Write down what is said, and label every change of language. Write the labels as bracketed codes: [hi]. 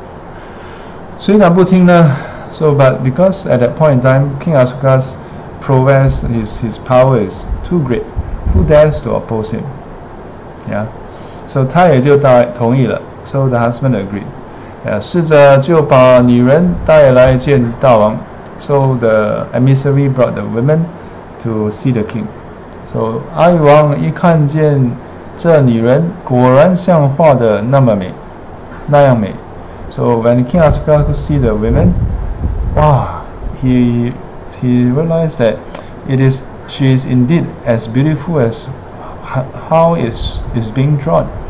[zh] 因为当时阿育王的势力太大了，谁敢不听呢？ [en] So, but because at that point in time, King Asuka's prowess, his power is too great. Who dares to oppose him? Yeah. So [zh] 他也就同意了。 [en] So the husband agreed. Yeah. [zh] 侍者就把女人带来见大王。 [en] So the emissary brought the women to see the king. [zh] So 阿育王一看见这女人，果然像画的那么美，那样美。 [en] So when King Asuka could see the women, wow, he realized that she is indeed as beautiful as how is being drawn.